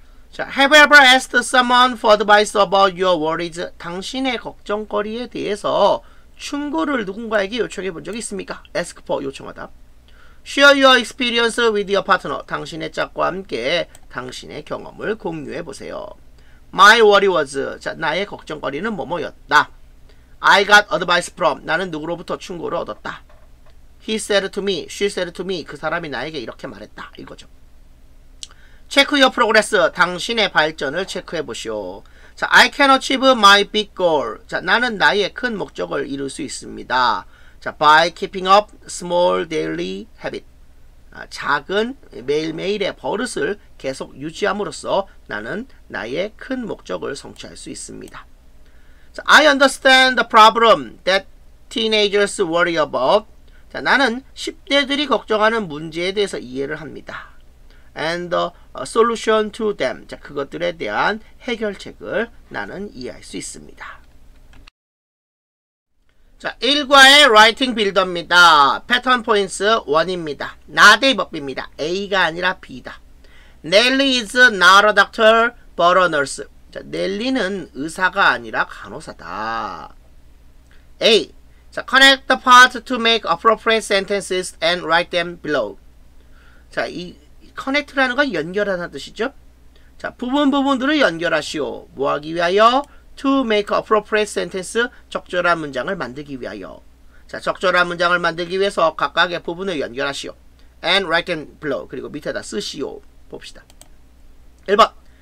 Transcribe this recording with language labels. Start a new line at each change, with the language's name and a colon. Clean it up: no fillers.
English: 자, have you ever asked someone for advice about your worries?
Korean: 당신의 걱정거리에 대해서 충고를 누군가에게 요청해 본 적 있습니까?
English: Ask for,
Korean: 요청하다.
English: Share your experience with your partner,
Korean: 당신의 짝과 함께 당신의 경험을 공유해 보세요.
English: My worry was,
Korean: 자, 나의 걱정거리는 뭐뭐였다.
English: I got advice from,
Korean: 나는 누구로부터 충고를 얻었다.
English: He said to me, she said to me,
Korean: 그 사람이 나에게 이렇게 말했다, 이거죠.
English: Check your progress,
Korean: 당신의 발전을 체크해 보시오. 자,
English: I can achieve my big goal,
Korean: 자, 나는 나의 큰 목적을 이룰 수 있습니다. 자,
English: by keeping up small daily habit,
Korean: 아, 작은 매일매일의 버릇을 계속 유지함으로써 나는 나의 큰 목적을 성취할 수 있습니다.
English: 자, I understand the problem that teenagers worry about.
Korean: 자, 나는 10대들이 걱정하는 문제에 대해서 이해를 합니다.
English: And the solution to them,
Korean: 자, 그것들에 대한 해결책을 나는 이해할 수 있습니다. 자, 1과의 라이팅 빌더입니다. 패턴 포인트 1입니다. 나대의 법입니다. A가 아니라 B다.
English: Nelly is not a doctor, but a nurse.
Korean: 자, 넬리는 의사가 아니라 간호사다. A.
English: 자, connect the part to make appropriate sentences and write them below.
Korean: 자, 이 connect라는 건 연결하다는 뜻이죠. 자, 부분 부분들을 연결하시오. 뭐 하기 위하여?
English: To make appropriate sentence,
Korean: 적절한 문장을 만들기 위하여. 자, 적절한 문장을 만들기 위해서 각각의 부분을 연결하시오.
English: And write and below.
Korean: 그리고 밑에다 쓰시오. 봅시다. 1번.